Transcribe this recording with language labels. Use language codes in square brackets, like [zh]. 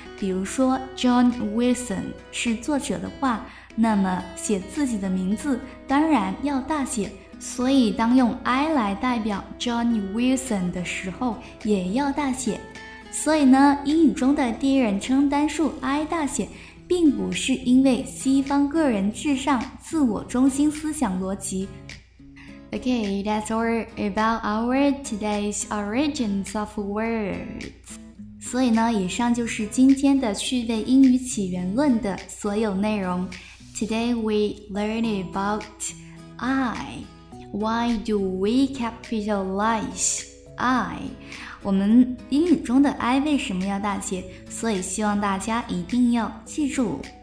[zh] 比如说 John Wilson 是作者的话，那么写自己的名字当然要大写，所以当用 I 来代表 John Wilson 的时候也要大写。所以呢，英语中的第一人称单数 I 大写，并不是因为西方个人至上、自我中心思想逻辑。 [en] Okay, that's all about our today's origins of words. [zh] 所以呢，以上就是今天的趣味英语起源论的所有内容。 [en] Today we learn about I. Why do we capitalize I? [zh] 我们英语中的 I 为什么要大写，所以希望大家一定要记住。